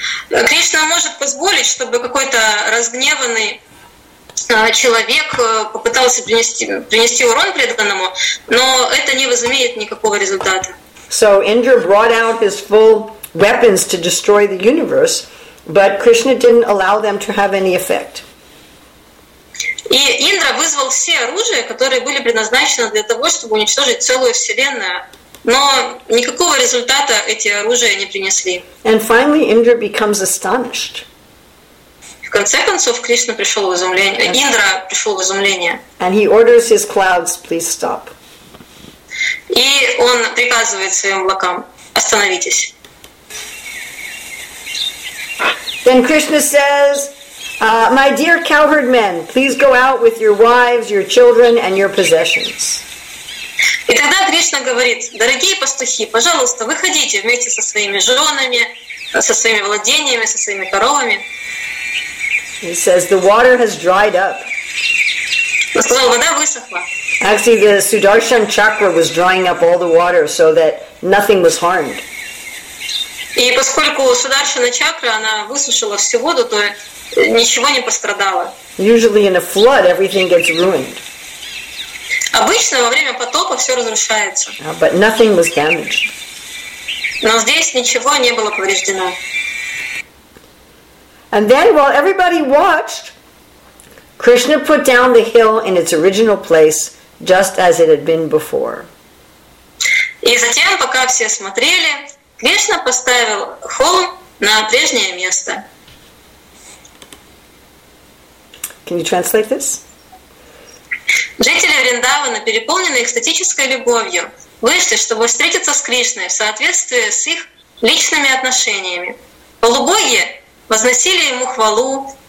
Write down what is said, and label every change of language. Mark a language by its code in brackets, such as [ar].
[ru] Кришна может позволить, чтобы какой-то разгневанный человек попытался принести урон преданному, но это не возымеет никакого результата. [en] So Indra brought out his full weapons to destroy the universe, but Krishna didn't allow them to have any effect. [ru] И Индра вызвал все оружия, которые были предназначены для того, чтобы уничтожить целую вселенную. Но никакого результата эти оружия не принесли. [en] And finally, Indra becomes astonished. [ru] В конце концов, Кришна пришел в изумление. [en] Yes. [ru] Индра пришел в изумление. [en] And he orders his clouds, please stop. [ru] И он приказывает своим облакам: остановитесь. [en] Then Krishna says, my dear cowherd men, please go out with your wives, your children, and your possessions. [ru] И тогда Кришна говорит: дорогие пастухи, пожалуйста, выходите вместе со своими женами, со своими владениями, со своими коровами. [en] He says, the water has dried up. [ru] Он сказал, вода высохла. [en] Actually, the Sudarshan chakra was drying up all the water so that nothing was harmed. [ru] И поскольку Сударшана чакра, она высушила всю воду, то ничего не пострадало. [en] Usually in a flood, everything gets ruined. [ru] Обычно во время потопа все разрушается. [en] But nothing was damaged. [ru] Но здесь ничего не было повреждено. [en] And then while everybody watched, Krishna put down the hill in its original place, just as it had been before. [ru] И затем, пока все смотрели, Кришна поставил холм на прежнее место. [en] Can you translate this? [ru] Жители Вриндавана, переполненные экстатической любовью, вышли, чтобы встретиться с Кришной в соответствии с их личными отношениями. Полубоги возносили ему хвалу,